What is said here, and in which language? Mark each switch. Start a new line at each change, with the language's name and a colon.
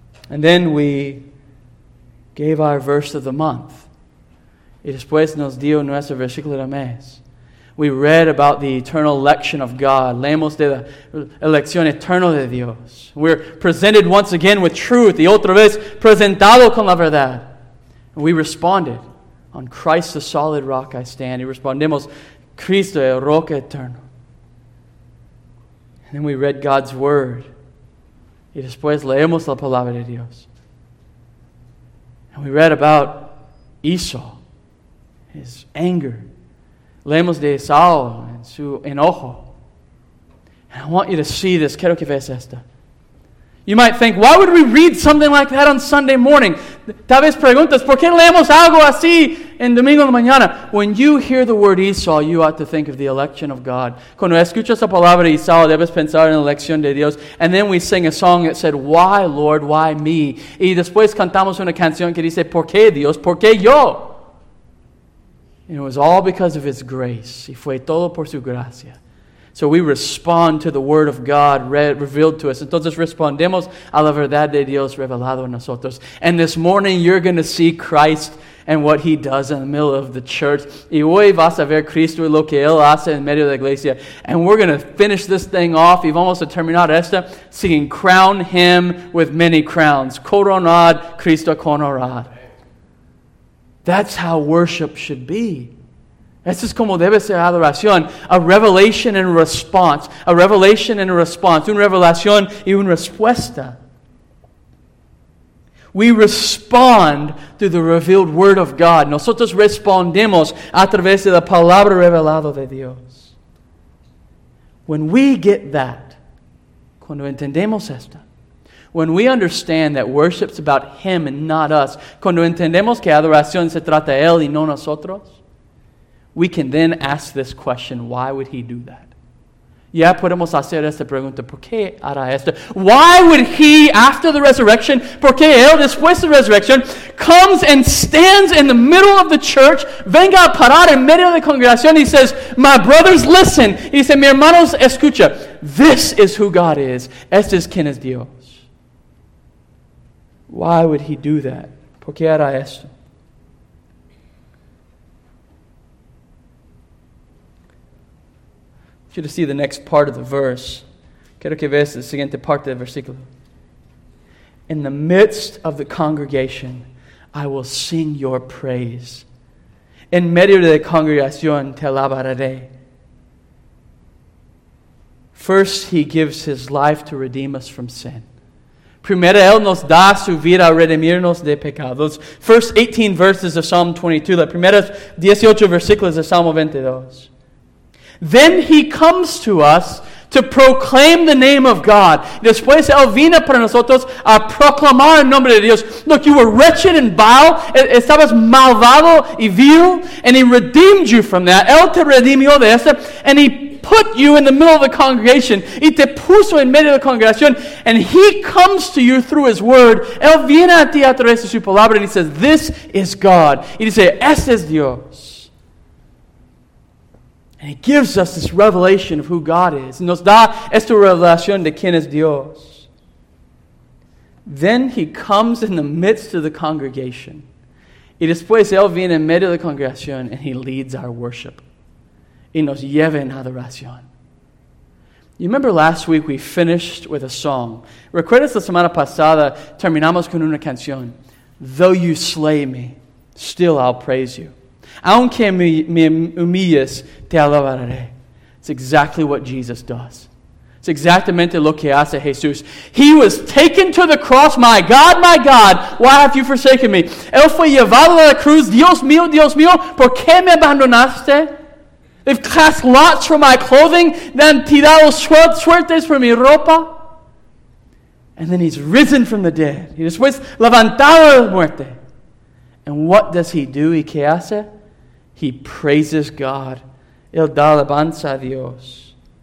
English: And then we gave our verse of the month.
Spanish: Y después nos dio nuestro versículo de mes.
English: We read about the eternal election of God.
Spanish: Leemos de la elección eterna de Dios.
English: We're presented once again with truth.
Spanish: Y otra vez presentado con la verdad.
English: And we responded. On Christ the solid rock I stand.
Spanish: Y respondemos, Cristo es roca eterna.
English: And then we read God's word.
Spanish: Y después leemos la palabra de Dios.
English: And we read about Esau, his anger.
Spanish: Leemos de Esau en su enojo.
English: And I want you to see this.
Spanish: Quiero que veas esta.
English: You might think, why would we read something like that on Sunday morning?
Spanish: Tal vez preguntas, ¿por qué leemos algo así en domingo de mañana?
English: When you hear the word Esau, you ought to think of the election of God.
Spanish: Cuando escuchas la palabra Esau, debes pensar en la elección de Dios.
English: And then we sing a song that said, why, Lord, why me?
Spanish: Y después cantamos una canción que dice, ¿por qué Dios? ¿Por qué yo?
English: And it was all because of His grace.
Spanish: Y fue todo por su gracia.
English: So we respond to the word of God revealed to us.
Spanish: Entonces respondemos a la verdad de Dios revelado a nosotros.
English: And this morning you're going to see Christ and what He does in the middle of the church.
Spanish: Y hoy vas a ver Cristo y lo que Él hace en medio de la iglesia.
English: And we're going to finish this thing off.
Spanish: Y vamos a terminar esta
English: singing crown Him with many crowns.
Spanish: Coronad Cristo coronad.
English: That's how worship should be.
Spanish: Eso es como debe ser adoración.
English: A revelation and a response. A revelation and a response.
Spanish: Una revelación y una respuesta.
English: We respond through the revealed word of God.
Spanish: Nosotros respondemos a través de la palabra revelada de Dios.
English: When we get that,
Spanish: cuando entendemos esto,
English: when we understand that worship's about Him and not us,
Spanish: cuando entendemos que adoración se trata de Él y no nosotros,
English: we can then ask this question, why would He do that?
Spanish: Ya podemos hacer esta pregunta, ¿por qué hará esto?
English: Why would He, after the resurrection,
Spanish: ¿por qué Él, después de la resurrección,
English: comes and stands in the middle of the church,
Spanish: venga a parar en medio de la congregación,
English: He says, my brothers, listen. He said,
Spanish: mi hermanos, escucha.
English: This is who God is.
Spanish: Este es quien es Dios.
English: Why would He do that?
Spanish: ¿Por qué hará esto?
English: You to see the next part of the verse.
Spanish: Quiero que veas la siguiente parte del versículo.
English: In the midst of the congregation, I will sing your praise.
Spanish: En medio de la congregación, te alabaré.
English: First, He gives His life to redeem us from sin.
Spanish: Primero, Él nos da su vida a redimirnos de pecados.
English: First 18 verses of Psalm 22.
Spanish: Los primeros 18 versículos de Salmo 22.
English: Then He comes to us to proclaim the name of God.
Spanish: Después Él vino para nosotros a proclamar el nombre de Dios.
English: Look, you were wretched and vile.
Spanish: Estabas malvado y vil.
English: And He redeemed you from that.
Spanish: Él te redimió de eso.
English: And He put you in the middle of the congregation.
Spanish: Y te puso en medio de la congregación.
English: And He comes to you through His word.
Spanish: Él viene a ti a través de su palabra.
English: And He says, this is God.
Spanish: Y dice, este es Dios.
English: And He gives us this revelation of who God is.
Spanish: Nos da esta revelación de quién es Dios.
English: Then He comes in the midst of the congregation.
Spanish: Y después Él viene en medio de la congregación
English: and He leads our worship.
Spanish: Y nos lleva en adoración.
English: You remember last week we finished with a song.
Spanish: ¿Recuerdas la semana pasada? Terminamos con una canción.
English: Though you slay me, still I'll praise you.
Spanish: Aunque me humilles, te alabaré.
English: It's exactly what Jesus does.
Spanish: It's exactamente lo que hace Jesús.
English: He was taken to the cross. My God, why have you forsaken me?
Spanish: Él fue llevado a la cruz. Dios mío, ¿por qué me abandonaste?
English: They've cast lots for my clothing. Then
Spanish: tirado suertes
English: for mi ropa. And then He's risen from the dead. He just was
Spanish: levantado de muerte.
English: And what does He do?
Spanish: ¿Y qué hace?
English: He praises God.
Spanish: Él da alabanza a Dios.